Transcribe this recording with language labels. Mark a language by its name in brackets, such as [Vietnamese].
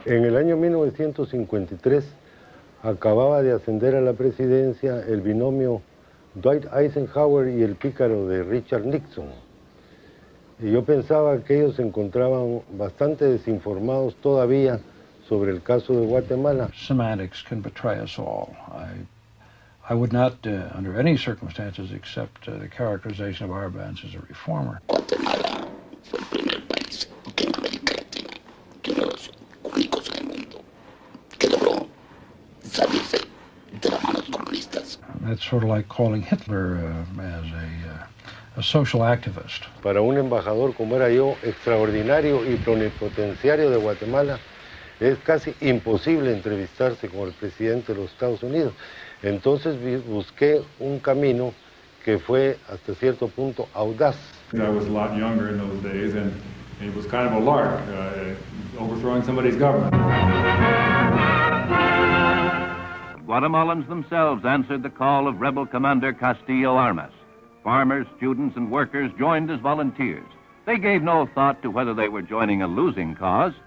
[Spanish] En el año 1953, acababa de ascender a la presidencia el binomio Dwight Eisenhower y el pícaro de Richard Nixon. Y yo pensaba que ellos se encontraban bastante desinformados todavía sobre el caso de Guatemala. [English] Semantics can betray us all. I would not, under any circumstances, accept the characterization of Arbenz as a reformer. [Spanish] Guatemala fue el primer país que en América Latina, que uno de los únicos en el mundo, que logró salirse de las manos comunistas. [English] That's sort of like calling Hitler as a social activist. [Spanish] Para un embajador como era yo, extraordinario y plenipotenciario de Guatemala, es casi imposible entrevistarse con el presidente de los Estados Unidos. Entonces busqué un camino que fue hasta cierto punto audaz. [English] I was a lot younger in those days, and it was kind of a lark, overthrowing somebody's government. Guatemalans themselves answered the call of rebel commander Castillo Armas. Farmers, students, and workers joined as volunteers. They gave no thought to whether they were joining a losing cause.